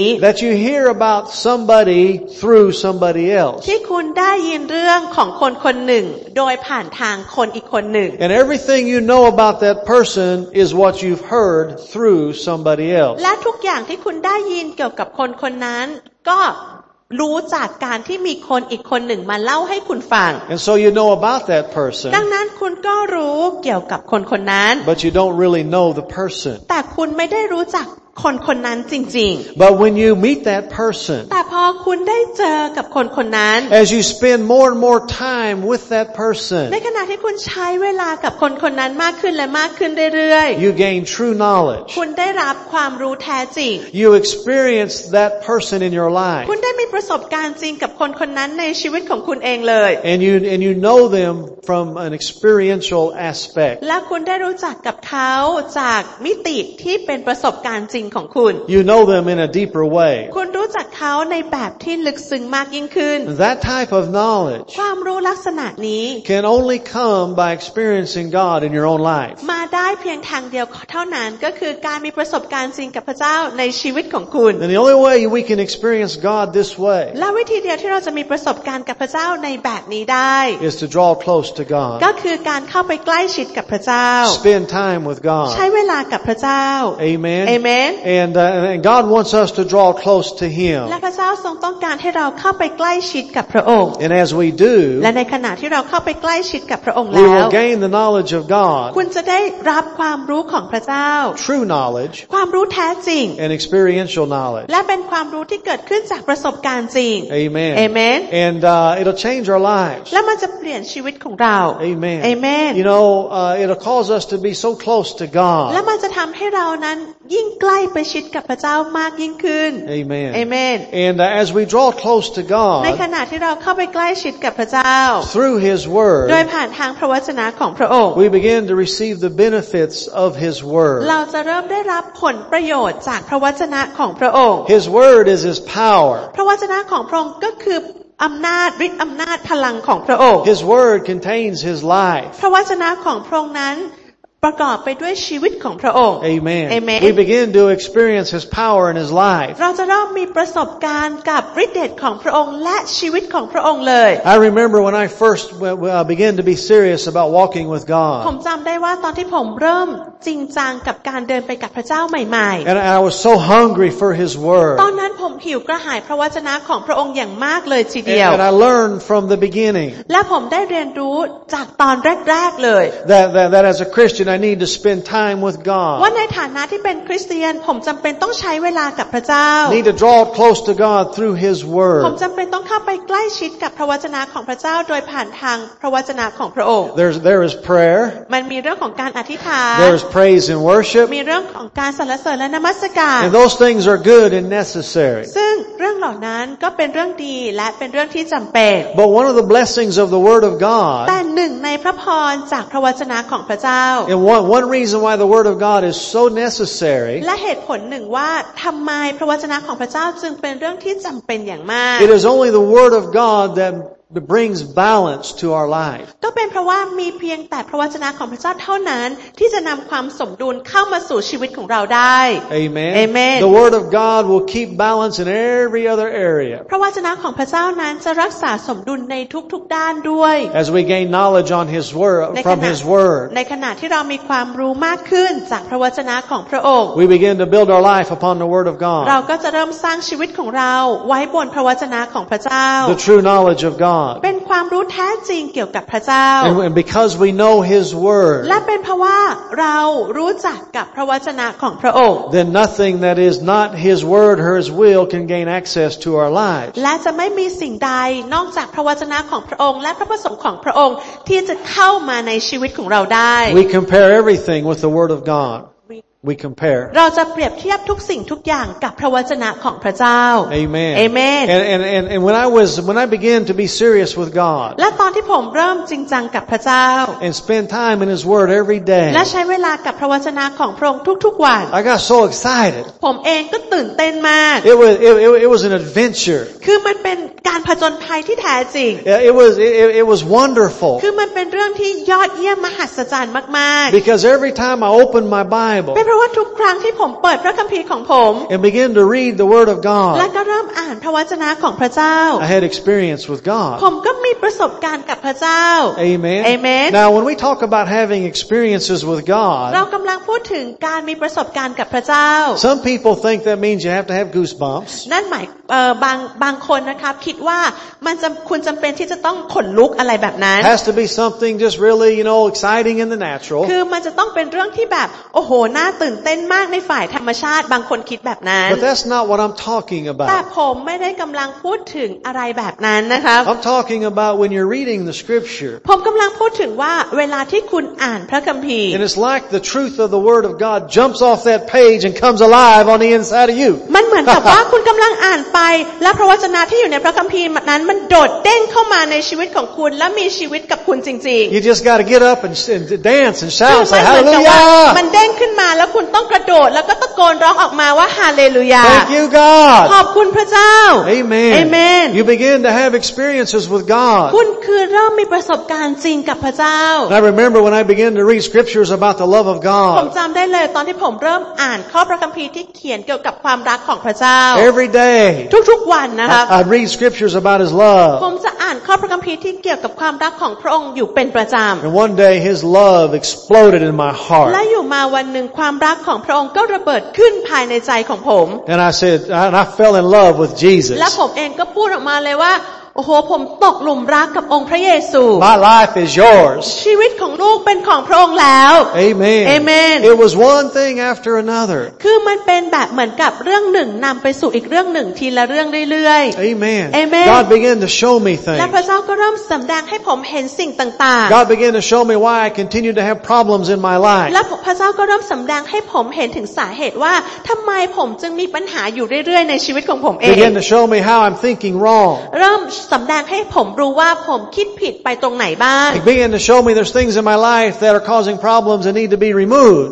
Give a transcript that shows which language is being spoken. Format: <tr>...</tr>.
<en>That you hear about somebody through somebody else.</en> <th>ที่คุณได้ยินเรื่องของคนคนหนึ่งโดยผ่านทางคนอีกคนหนึ่ง</th> <en>And everythingYou know about that person is what you've heard through somebody else.</en> <th>และทุกอย่างที่คุณได้ยินเกี่ยวกับคนคนนั้นก็รู้จากการที่มีคนอีกคนหนึ่งมาเล่าให้คุณฟัง</th> <en>And so you know about that person.</en> <th>ดังนั้นคุณก็รู้เกี่ยวกับคนคนนั้น</th> <en>But you don't really know the person.</en> <th>แต่คุณไม่ได้รู้จักคนคนนั้นจริง</th> <en>ๆ But when you meet that person,</en> <th>แต่พอคุณได้เจอกับคนคนนั้น</th> <en>as you spend more and more time with that person,</en> <th>ในขณะที่คุณใช้เวลากับคนคนนั้นมากขึ้นและมากขึ้นเรื่อย</th> <en>ๆ you gain true knowledge.</en> <th>คุณได้รับความรู้แท้จริง</th> <en>you experience that person in your life.</en> <th>คุณได้มีประสบการณ์จริงกับคนคนนั้นในชีวิตของคุณเองเลย</th> <en>and you know them from an experiential aspect.</en> <th>และคุณได้รู้จักกับเขาจากมิติที่เป็นประสบการณ์จริง</th> <en>You know them in a deeper way.</en> <th>คุณรู้จักเขาในแบบที่ลึกซึ้งมากยิ่งขึ้น</th> <en>That type of knowledge.</en> <th>ความรู้ลักษณะนี้</th> <en>can only come by experiencing God in your own life.</en> <th>มาได้เพียงทางเดียวเท่านั้นก็คือการมีประสบการณ์จริงกับพระเจ้าในชีวิตของคุณ</th> <en>And the only way we can experience God this way.</en> <th>และวิธีเดียวที่เราจะมีประสบการณ์กับพระเจ้าในแบบนี้ได้</th> <en>is to draw close to God.</en> <th>ก็คือการเข้าไปใกล้ชิดกับพระเจ้า</th> <en>Spend time with God.</en> <th>ใช้เวลากับพระเจ้า</th> <en>Amen. Amen. And God wants us to draw close to Him.</en> <th>และพระเจ้าทรงต้องการให้เราเข้าไปใกล้ชิดกับพระองค์</th> <en>And as we do,</en> <th>และในขณะที่เราเข้าไปใกล้ชิดกับพระองค์แล้ว</th> <en>we will gain the knowledge of God.</en> <th>คุณจะได้รับความรู้ของพระเจ้า</th> <en>True knowledge.</en> <th>ความรู้แท้จริง</th> <en>And experiential knowledge.</en> <th>และเป็นความรู้ที่เกิดขึ้นจากประสบการณ์จริง</th> <en>Amen. Amen. And it'll change our lives.</en> <th>และมันจะเปลี่ยนชีวิตของเรา</th> <en>Amen. Amen. You know, it'll cause us to be so close to God.</en> <th>และมันจะทำให้เรานั้นยิ่งใกล้ไปชิดกับพระเจ้ามากยิ่งขึ้น</th> <en>Amen. Amen. And as we draw close to God,</en> <th>ในขณะที่เราเข้าไปใกล้ชิดกับพระเจ้า</th> <en>through His Word,</en> <th>โดยผ่านทางพระวจนะของพระองค์</th> <en>we begin to receive the benefits of His Word.</en> <th>เราจะเริ่มได้รับผลประโยชน์จากพระวจนะของพระองค์</th> <en>His Word is His power.</en> <th>พระวจนะของพระองค์ก็คืออำนาจฤทธิ์อำนาจพลังของพระองค์</th> <en>His Word contains His life.</en> <th>พระวจนะของพระองค์นั้นประกอบไปด้วยชีวิตของพระองค์</th> <en>Amen. Amen. We begin to experience His power in His life.</en> <th>เราจะเริ่มมีประสบการณ์กับฤทธิ์เดชของพระองค์และชีวิตของพระองค์เลย</th> <en>I remember when I first began to be serious about walking with God.</en> <th>ผมจำได้ว่าตอนที่ผมเริ่มจริงจังกับการเดินไปกับพระเจ้าใหม่ๆ</th> <en>And I was so hungry for His word.</en> <th>ตอนนั้นผมหิวกระหายพระวจนะของพระองค์อย่างมากเลยทีเดียว</th> <en>And I learned from the beginning.</en> <th>และผมได้เรียนรู้จากตอนแรกๆเลย</th> <en>That as a Christian,I need to spend time with God.</en> <th>ว่าในฐานะที่เป็นคริสเตียนผมจําเป็นต้องใช้เวลากับพระเจ้า</th> <en>Need to draw close to God through His word.</en> <th>ผมจําเป็นต้องเข้าไปใกล้ชิดกับพระวจนะของพระเจ้าโดยผ่านทางพระวจนะของพระองค์</th> <en>There is prayer.</en> <th>มันมีเรื่องของการอธิษฐาน</th> <en>There is praise and worship.</en> <th>มีเรื่องของการสรรเสริญและนมัสการ</th> <en>And those things are good and necessary.</en> <th>ซึ่งเรื่องเหล่านั้นก็เป็นเรื่องดีและเป็นเรื่องที่จําเป็น</th> <en>But one of the blessings of the word of God.</en> <th>แต่หนึ่งในพระพรจากพระวจนะของพระเจ้า</th> <en>One reason why the word of God is so necessary.</en> <th>และเหตุผลหนึ่งว่าทำไมพระวจนะของพระเจ้าจึงเป็นเรื่องที่จำเป็นอย่างมาก</th> <en>It is only the word of God that brings balance to our life.</en> <th>ก็เป็นเพราะว่ามีเพียงแต่พระวจนะของพระเจ้าเท่านั้นที่จะนำความสมดุลเข้ามาสู่ชีวิตของเราได้</th> <en>Amen. Amen. The word of God will keep balance in every other area.</en> <th>พระวจนะของพระเจ้านั้นจะรักษาสมดุลในทุกๆด้านด้วย</th> <en>As we gain knowledge on His word from His word.</en> <th>ในขณะที่เรามีความรู้มากขึ้นจากพระวจนะของพระองค์</th> <en>We begin to build our life upon the word of God.</en> <th>เราก็จะเริ่มสร้างชีวิตของเราไว้บนพระวจนะของพระเจ้า</th> <en>The true knowledge of God. God.</en> <th>เป็นความรู้แท้จริงเกี่ยวกับพระเจ้า</th> <en>And because we know His word.</en> <th>และเป็นเพราะว่าเรารู้จักกับพระวจนะของพระองค์</th> <en>Then nothing that is not His word or His will can gain access to our lives.</en> <th>และจะไม่มีสิ่งใดนอกจากพระวจนะของพระองค์และพระประสงค์ของพระองค์ที่จะเข้ามาในชีวิตของเราได้</th> <en>We compare everything with the word of God. We compare.</en> <th>เราจะเปรียบเทียบทุกสิ่งทุกอย่างกับพระวจนะของพระเจ้า</th> <en>Amen. Amen. And when I began to be serious with God.</en> <th>และตอนที่ผมเริ่มจริงจังกับพระเจ้า</th> <en>And spend time in His Word every day.</en> <th>และใช้เวลากับพระวจนะของพระองค์ทุกๆวัน</th> <en>I got so excited.</en> <th>ผมเองก็ตื่นเต้นมาก</th> <en>It was an adventure.</en> <th>คือมันเป็นการผจญภัยที่แท้จริง</th> <en>It was wonderful.</en> <th>คือมันเป็นเรื่องที่ยอดเยี่ยมมหัศจรรย์มาก</th> <en>ๆ Because every time I opened my Bible.</en> <th>เพราะว่าทุกครั้งที่ผมเปิดพระคัมภีร์ของผม</th> <en>And begin to read the word of God</en> <th>และก็เริ่มอ่านพระวจนะของพระเจ้า</th> <en>I had experience with God</en> <th>ผมก็มีประสบการณ์กับพระเจ้า</th> <en>Amen Amen Now when we talk about having experiences with God</en> <th>เรากำลังพูดถึงการมีประสบการณ์กับพระเจ้า</th> <en>Some people think that means you have to have goosebumps</en> <th>นั่นหมายบางคนนะครับคิดว่ามันจำเป็นที่จะต้องขนลุกอะไรแบบนั้น</th> <en>Has to be something just really you know exciting in the natural</en> <th>คือมันจะต้องเป็นเรื่องที่แบบโอ้โหน่าตื่นเต้นมากในฝ่ายธรรมชาติบางคนคิดแบบนั้น</th> <en>But that's not what I'm talking about</en> <th>แต่ผมไม่ได้กำลังพูดถึงอะไรแบบนั้นนะครับ</th> <en>I'm talking about when you're reading the scripture</en> <th>ผมกำลังพูดถึงว่าเวลาที่คุณอ่านพระคัมภีร์</th> <en>And it's like the truth of the word of God jumps off that page and comes alive on the inside of you</en> <th>มันเหมือนกับว่าคุณกำลังอ่านไปแล้วพระวจนะที่อยู่ในพระคัมภีร์นั้นมันโดดเด้งเข้ามาในชีวิตของคุณและมีชีวิตกับคุณจริง</th> <en>ๆ You just got to get up and dance and shout say hallelujah</en> <th>มันเด้งขึ้นมาแล้วคุณต้องกระโดดแล้วก็ตะโกนร้องออกมาว่าฮาเลลูยา</th> <en>Thank you God</en> <th>ขอบคุณพระเจ้า</th> <en>Amen Amen You begin to have experiences with God</en> <th>คุณคือเริ่มมีประสบการณ์จริงกับพระเจ้า</th> <en>I remember when I began to read scriptures about the love of God</en> <th>ผมจำได้เลยตอนที่ผมเริ่มอ่านข้อพระคัมภีร์ที่เขียนเกี่ยวกับความรักของพระเจ้า</th> <en>Every day</en> <th>ทุกๆวันนะครับ</th> <en>I read scriptures about His love</en> <th>ผมจะอ่านข้อพระคัมภีร์ที่เกี่ยวกับความรักของพระองค์อยู่เป็นประจำ</th> <en>And one day His love exploded in my heart</en> <th>และอยู่มาวันนึงความรักของพระองค์ก็ระเบิดขึ้นภายในใจของผม</th> <en>And I said and I fell in love with Jesus</en> <th>และผมเองก็พูดออกมาเลยว่าโอ้โหผมตกหลุมรักกับองค์พระเยซู</th> <en>My life is yours</en> <th>ชีวิตของลูกเป็นของพระองค์แล้ว</th> <en>Amen Amen It was one thing after another</en> <th>คือมันเป็นแบบเหมือนกับเรื่องหนึ่งนำไปสู่อีกเรื่องหนึ่งทีละเรื่องเรื่อย</th> <en>ๆ Amen Amen God began to show me things</en> <th>และพระเจ้าก็เริ่มสำแดงให้ผมเห็นสิ่งต่างๆ</th> <en>God began to show me why I continued to have problems in my life</en> <th>และพระเจ้าก็เริ่มสำแดงให้ผมเห็นถึงสาเหตุว่าทำไมผมจึงมีปัญหาอยู่เรื่อยๆในชีวิตของผมเอง</th> <en>Began to show me how I'm thinking wrong</en> <th>เริ่มสำแดงให้ผมรู้ว่าผมคิดผิดไปตรงไหนบ้าง</th> <en>It began to show me there's things in my life that are causing problems and need to be removed</en>